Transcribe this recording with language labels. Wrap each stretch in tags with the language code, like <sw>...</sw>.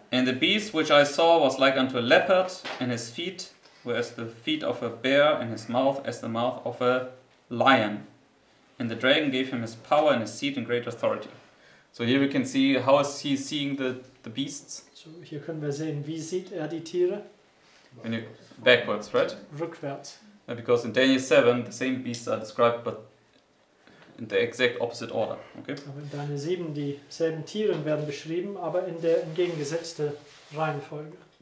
<en>and the beast which I saw was like unto a leopard, and his feet were as the feet of a bear, and his mouth as the mouth of a lion. And the dragon gave him his power and his seat and great authority. So here we can see, how is he seeing the beasts?</en> <de>So hier können wir sehen, wie sieht er die Tiere?</de> <en>Backwards, right?</en> <de>Rückwärts.</de> <en>And because in Daniel 7, the same beasts are described, but in the exact opposite order. Okay.</en> <de>In Daniel 7 dieselben Tieren werden beschrieben, aber in der entgegengesetzte Reihenfolge.</de>